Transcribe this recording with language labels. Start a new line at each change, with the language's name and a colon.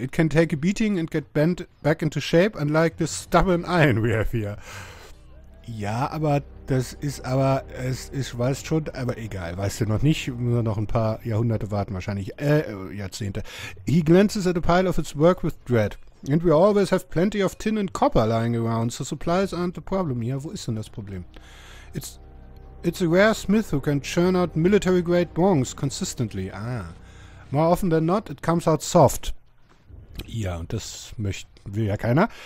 English: It can take a beating and get bent back into shape, unlike the stubborn iron we have here.
German: Ja, aber das ist aber, es ist, weißt schon, aber egal, weißt du noch nicht, nur noch ein paar Jahrhunderte warten wahrscheinlich, Jahrzehnte.
English: He glances at a pile of its work with dread. And we always have plenty of tin and copper lying around, so supplies aren't the problem.
German: Ja, wo ist denn das Problem?
English: It's a rare smith who can churn out military-grade bronze consistently. Ah, more often than not, it comes out soft.
German: Ja, und das will ja keiner.